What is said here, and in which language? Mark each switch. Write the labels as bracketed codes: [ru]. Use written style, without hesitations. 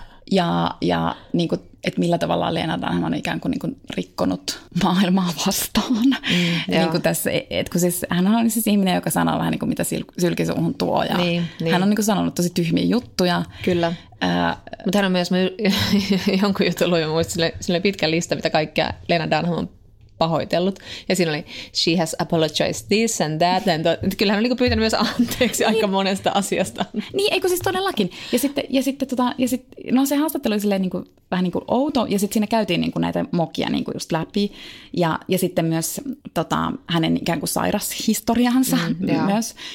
[fi] Ja niin kuin, että millä tavalla Lena Dunham on ikään kuin, niin kuin rikkonut maailmaa vastaan. Niin kuin tässä, että kun siis, hän on siis ihminen, joka sanoo vähän niin kuin mitä sylkisuuhun tuo. Ja niin. Hän on niin kuin sanonut tosi tyhmiä juttuja. Kyllä. Mutta hän on myös jonkun jutun luin muista, sille pitkä lista, mitä kaikkea Lena Dunham on pahoitellut. Ja siinä oli, [en] she has apologized this and that. [fi] And kyllähän hän oli pyytänyt myös anteeksi niin, aika monesta asiasta. Niin, eikö siis todellakin. Ja sitten se haastattelu oli silleen niin kuin, vähän niin kuin outo. Ja sitten siinä käytiin niin kuin näitä mokia niin kuin just läpi. Ja sitten myös hänen ikään kuin sairashistoriansa myös.